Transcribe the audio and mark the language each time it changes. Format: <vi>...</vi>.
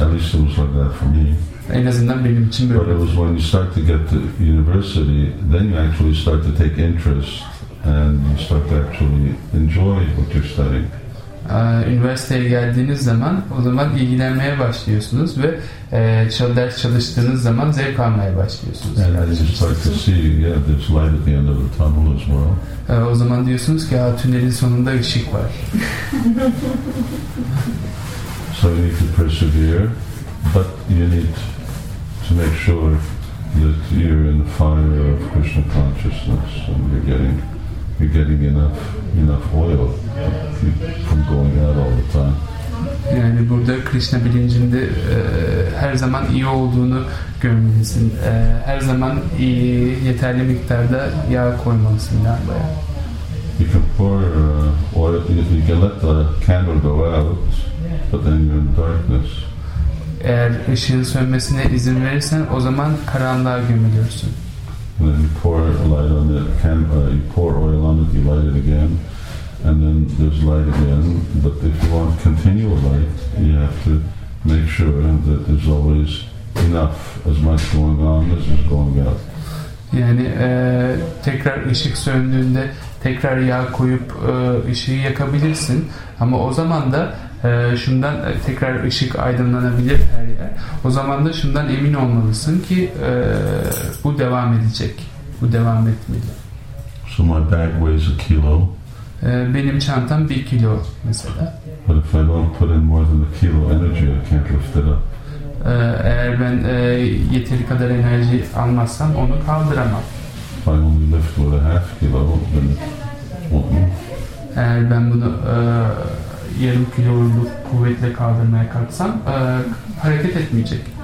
<en>At least it was like that for me.</en> <tr>En azından benim için böyle.</tr> <en>But it was when you start to get to university, then you actually start to take interest and you start to actually enjoy what you're studying.</en> <tr>Üniversiteye geldiğiniz zaman o zaman ilgilenmeye başlıyorsunuz ve ders çalıştığınız zaman zevk almaya başlıyorsunuz.</tr> <en>And you start to see, yeah, there's light at the end of the tunnel as well.</en> <tr>O zaman diyorsunuz ki tünelin sonunda ışık var.</tr> <en>So you need to persevere, but you need to make sure that you're in the fire of Krishna consciousness and you're getting enough oil from going out all the time.</en> <tr>Yani burada Krishna bilincinde her zaman iyi olduğunu görmelisin. Her zaman iyi, yeterli miktarda yağ koymalısın lambaya.</tr> <en>You can pour oil, you can let the candle go out, but then you're in darkness.</en> <tr>Eğer ışığın sönmesine izin verirsen o zaman karanlığa gömülürsün.</tr> <en>And then you pour light on it, you pour oil on it, you light it again, and then there's light again. But if you want continual light, you have to make sure that there's always enough, as much going on as is going out.</en> <tr>Yani tekrar ışık söndüğünde tekrar yağ koyup ışığı yakabilirsin. Ama o zaman da şundan tekrar ışık aydınlanabilir her yer. O zaman da şundan emin olmalısın ki bu devam edecek. Bu devam etmeli.</tr> <en>So my bag weighs a kilo.</en> <tr>Benim çantam 1 kilo mesela.</tr> <en>But if I don't put in more than a kilo energy, I can't lift it up.</en> <tr>Eğer ben yeteri kadar enerji almazsam onu kaldıramam.</tr> <en>If I only lift with a half kilo, then it won't move.</en> <tr>Eğer ben bunu yarım kiloluk kuvvetle kaldırmaya kalksam hareket etmeyecek.</tr>